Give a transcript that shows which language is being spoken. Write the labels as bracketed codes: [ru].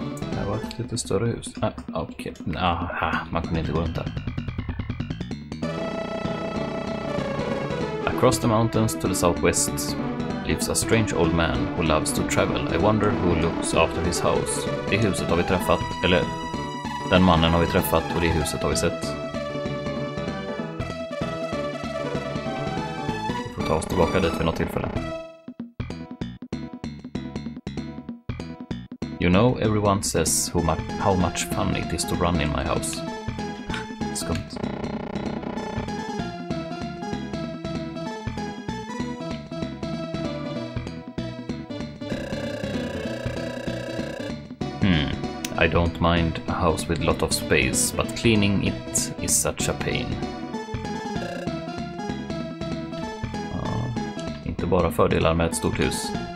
[sv] Det var ett lite större hus. Ah, okej. Aha, man kunde inte gå runt där. [en] Across the mountains to the southwest. Lives a strange old man who loves to travel. I wonder who looks after his house. [sv] Det huset har vi träffat, eller den mannen har vi träffat och det huset har vi sett. Vi får ta oss tillbaka dit vid något tillfälle. [en] You know, everyone says how much fun it is to run in my house. [sv] Skumt. [en] I don't mind a house with a lot of space, but cleaning it is such a pain. [sv] Ja, inte bara fördelar med ett stort hus.